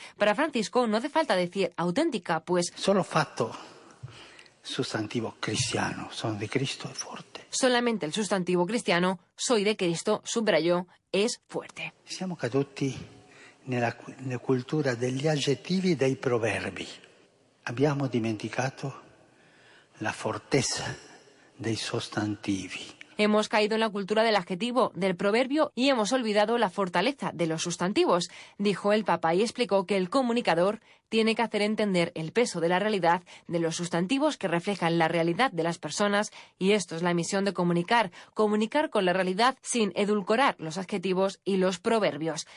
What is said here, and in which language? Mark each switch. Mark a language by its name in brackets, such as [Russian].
[Spanish] Para Francisco no hace falta decir «auténtica», pues... Solo facto. Sustantivo cristiano, son de Cristo es fuerte. Solamente el sustantivo cristiano, soy de Cristo, subrayó, es fuerte. [Italian] Siamo caduti nella cultura degli aggettivi e dei proverbi. Abbiamo dimenticato la fortezza dei sostantivi. [Spanish] Hemos caído en la cultura del adjetivo, del proverbio, y hemos olvidado la fortaleza de los sustantivos, dijo el Papa y explicó que el comunicador tiene que hacer entender el peso de la realidad de los sustantivos que reflejan la realidad de las personas, y esto es la misión de comunicar, comunicar con la realidad sin edulcorar los adjetivos y los proverbios.